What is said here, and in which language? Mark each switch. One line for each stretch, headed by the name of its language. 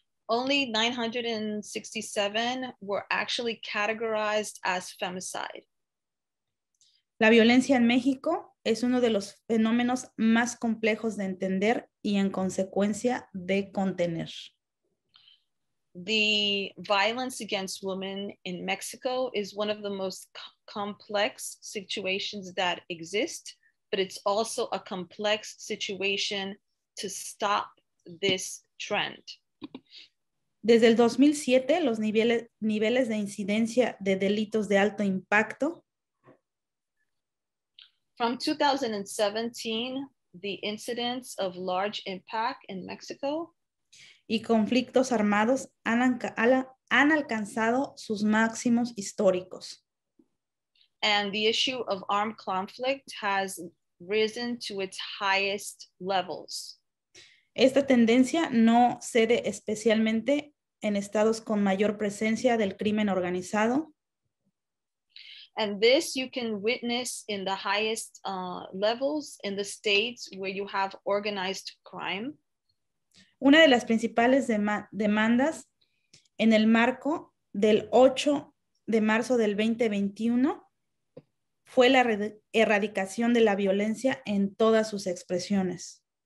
English: Only 967 were actually categorized as femicide.
Spanish: La violencia en México es uno de los fenómenos más complejos de entender y en consecuencia de contener.
English: The violence against women in Mexico is one of the most complex situations that exist, but it's also a complex situation to stop this trend.
Spanish: Desde el 2007, los niveles de incidencia de delitos de alto impacto.
English: From 2017, the incidents of large impact in Mexico.
Spanish: Y conflictos armados han alcanzado sus máximos históricos.
English: And the issue of armed conflict has risen to its highest levels.
Spanish: Esta tendencia no cede especialmente en estados con mayor presencia del crimen organizado.
English: And this you can witness in the highest levels in the states where you have organized crime.
Spanish: Una de las principales demandas en el marco del 8 de marzo del 2021 fue la erradicación de la violencia en todas sus expresiones.